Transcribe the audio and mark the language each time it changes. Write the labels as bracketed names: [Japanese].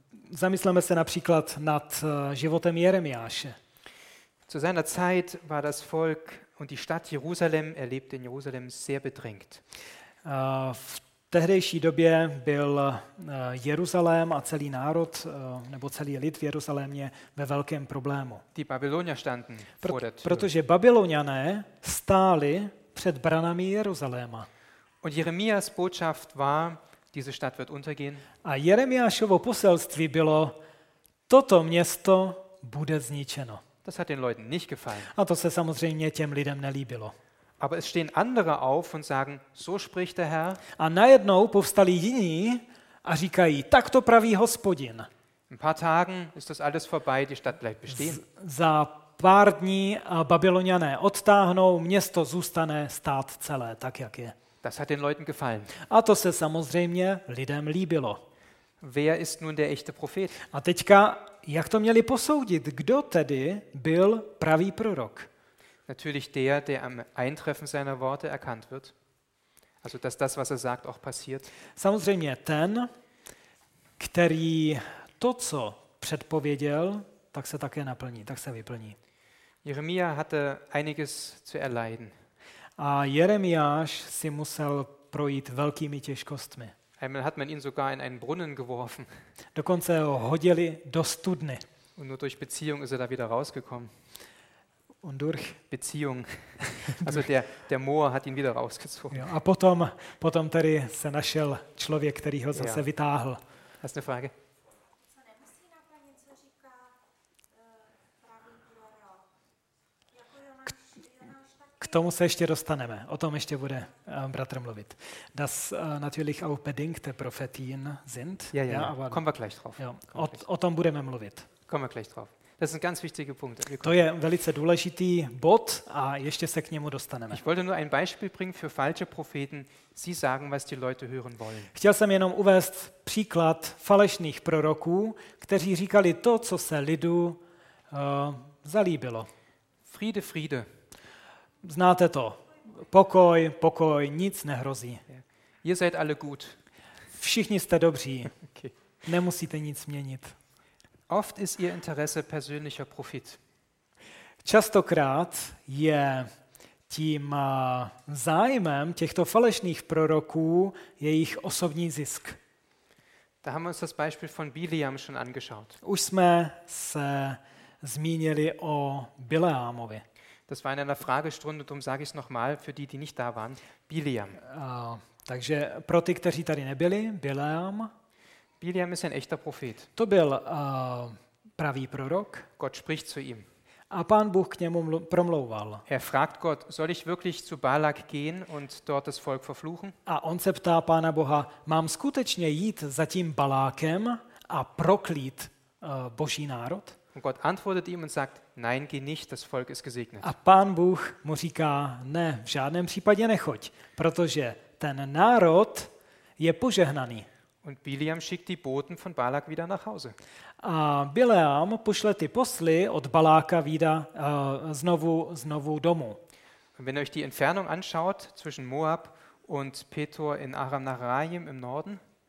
[Czech] Zamysleme se například nad životem Jeremiáše. [German] Zu seiner Zeit war das Volk und die Stadt Jerusalem, er lebte in Jerusalem, sehr bedrängt. [Czech] V tehdejší době byl Jeruzalém a celý národ nebo celý lid v Jeruzalémě ve velkém problému. [German] Die Babylonier standen vor der Tür. [Czech] Protože Babyloniané stáli před branami Jeruzaléma. [German] Und Jeremias Botschaft war, diese Stadt wird untergehen. [Czech] A Jeremiášovo poselství bylo, toto město bude zničeno. [German] Das hat den Leuten nicht gefallen. [Czech] A to se samozřejmě těm lidem nelíbilo. [German] Aber es stehen andere auf und sagen, so spricht der Herr. [Czech] A najednou povstali jiní a říkají, tak to praví Hospodin. [German] In paar Tagen ist das alles vorbei, die Stadt bleibt bestehen. [Czech] Za pár dní Babyloniané odtáhnou, město zůstane stát celé, tak jak je. [German] Das hat den Leuten gefallen. [Czech] A to se samozřejmě lidem líbilo. [German] Wer ist nun der echte Prophet? [Czech] A teďka, jak to měli posoudit? Kdo tedy byl pravý prorok? [German] Natürlich der, der am Eintreffen seiner Worte erkannt wird. Also, dass das, was sagt, auch passiert. [Czech] Samozřejmě ten, který to, co předpověděl, tak se také naplní, tak se vyplní. [German] Jeremia hatte einiges zu erleiden. [Czech] A Jeremiáš si musel projít velkými těžkostmi. [German] Einmal hat man ihn sogar in einen Brunnen geworfen. [Czech] Dokonce ho hodili do studny. [German] Und nur durch Beziehung ist er da wieder rausgekommen. Und durch Beziehung. Also der Moor hat ihn wieder rausgezogen. [Czech] Jo, a potom tady se našel člověk, který ho zase vytáhl. [German] Hast eine Frage? [Czech] Tomu se ještě dostaneme. O tom ještě bude bratr mluvit. [German] Das natürlich auch bedingte Prophetien sind. Ja, aber kommen wir gleich drauf. [Czech] Ja, o tom budeme mluvit. [German] Kommen wir gleich drauf. Das sind ganz wichtige Punkte. [Czech] To je velice důležitý bod a ještě se k němu dostaneme. [German] Ich wollte nur ein Beispiel bringen für falsche Propheten. Sie sagen, was die Leute hören wollen. [Czech] Chtěl jsem jenom uvést příklad falešných proroků, kteří říkali to, co se lidu zalíbilo. [German] Friede, Friede. [Czech] Znáte to. Pokoj, pokoj, nic nehrozí. [German] Ihr seid alle gut. [Czech] Všichni jste dobří. Nemusíte nic měnit. [German] Oft ist ihr Interesse persönlicher Profit. [Czech] Častokrát je tím zájmem těchto falešných proroků jejich osobní zisk. [German] Da haben wir uns das Beispiel von Bileam schon angeschaut. [Czech] Už jsme se zmínili o Bileámovi. [German] Das war in einer Fragestunde, darum sage ich es nochmal, für die, die nicht da waren, Bileam. [Czech] Takže pro ty, kteří tady nebyli, Bileam. [German] Bileam ist ein echter Prophet. [Czech] To byl pravý prorok. [German] Gott spricht zu ihm. [Czech] A pán Bůh k němu promlouval. [German] Er fragt Gott, soll ich wirklich zu Balak gehen und dort das Volk verfluchen? [Czech] A on se ptá pána Boha, mám skutečně jít za tím Balákem a proklít boží národ? [German] Und Gott antwortet ihm und sagt, nein, geh nicht, das Volk ist gesegnet. [Czech] A pán Bůh mu říká, ne, v žádném případě nechoď, protože ten národ je požehnaný. [German] Und Bileam schickt die Boten von Balak wieder nach Hause. [Czech] A Bileam pošle ty posly od Baláka [German] wieder [Czech] znovu domů. [German] Und wenn ihr euch die Entfernung anschaut zwischen Moab und Petor in Aram-Naharaim im Norden,